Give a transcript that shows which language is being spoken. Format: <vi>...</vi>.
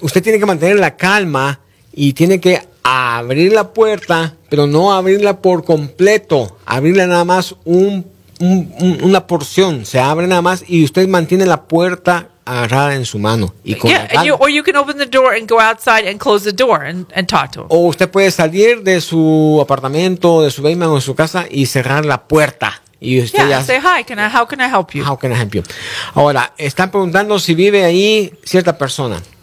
<es>Usted tiene que mantener la calma y tiene que abrir la puerta, pero no abrirla por completo. Abrirla nada más una porción. Se abre nada más y usted mantiene la puerta agarrada en su mano. Y con</es> <en>yeah, and you, or you can open the door and go outside and close the door and talk to him.</en> <es>O usted puede salir de su apartamento, de su basement o de su casa y cerrar la puerta. Y usted yeah, ya,</es> <en>say, hi, how can I help you? How can I help you?</en> <es>Ahora, están preguntando si vive ahí cierta persona.</es>